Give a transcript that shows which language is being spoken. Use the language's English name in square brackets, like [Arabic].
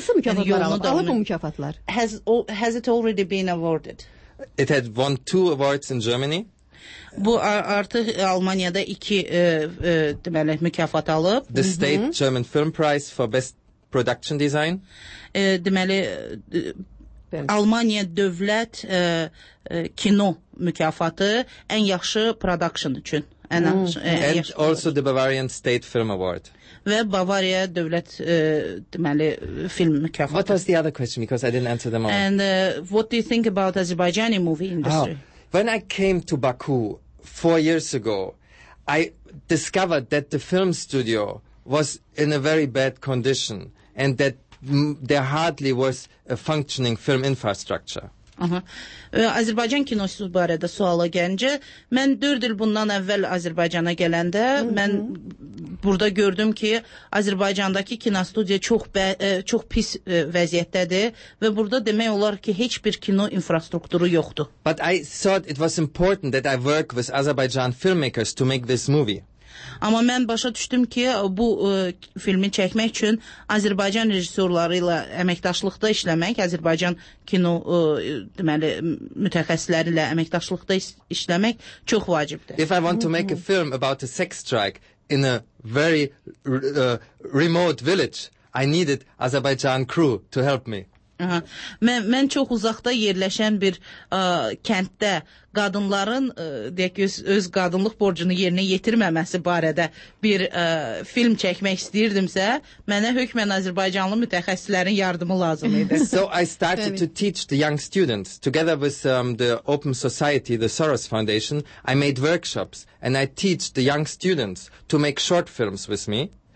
[Azerbaijani] Hansı mükafatlar alıb? Alıb bu mükafatlar. [English] Has it already been awarded? It had won 2 awards in Germany. [Azerbaijani] Bu artıq Almanya'da 2 deməli, mükafat alıb. [English] The State German Film Prize for Best Production Design. [Azerbaijani] Deməli, Almanya dövlət kino mükafatı ən yaxşı production üçün. [English] And also the Bavarian State Film Award. [Azerbaijani] Və Bavariya dövlət deməli film mükafatı. [English] What was the other question, because I didn't answer them all. And what do you think about Azerbaijani movie industry? Oh. When I came to Baku 4 years ago, I discovered that the film studio was in a very bad condition and that there hardly was a functioning film infrastructure. [Azerbaijani] Azərbaycan kinosu barədə suala gəncə, mən 4 il bundan əvvəl Azərbaycana gələndə mən burada gördüm ki, Azərbaycandakı kinostudiya çox pis vəziyyətdədir və burada demək olar ki, heç bir kino infrastrukturu yoxdur. [English] But I thought it was important that I work with Azerbaijan filmmakers to make this movie. [Azerbaijani] Amma mən başa düşdüm ki, bu filmi çəkmək üçün Azərbaycan rejissorları ilə əməkdaşlıqda işləmək, Azərbaycan kino deməli mütəxəssisləri ilə əməkdaşlıqda işləmək çox vacibdir. [English] If I want to make a film about a sex strike in a very remote village, I needed Azerbaijan crew to help me. [Azerbaijani] Mən çox uzaqda yerləşən bir kənddə qadınların deyək ki, öz qadınlıq borcunu yerinə yetirməməsi barədə bir film çəkmək istəyirdimsə, mənə hökmən Azərbaycanlı mütəxəssislərin yardımı lazım idi. [English] So I started to teach the young students. Together with the Open Society, the Soros Foundation, I made workshops and I teach the young students to make short films with me.